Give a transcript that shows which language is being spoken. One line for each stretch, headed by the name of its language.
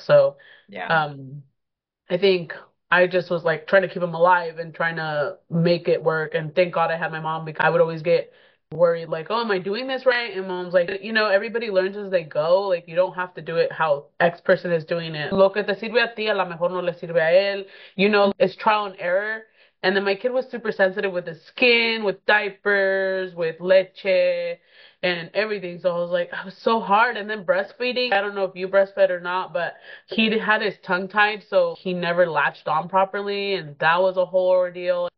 English: So I think I just was like trying to keep him alive and trying to make it work. And thank God I had my mom, because I would always get worried like, oh, am I doing this right? And mom's like, you know, everybody learns as they go. Like you don't have to do it how X person is doing it.
Spanish: Lo que te sirve a ti, a lo mejor no le sirve a él.
English: You know, it's trial and error. And then my kid was super sensitive with his skin, with diapers, with leche, and everything. So I was like, it was so hard. And then breastfeeding, I don't know if you breastfed or not, but he had his tongue tied, so he never latched on properly, and that was a whole ordeal.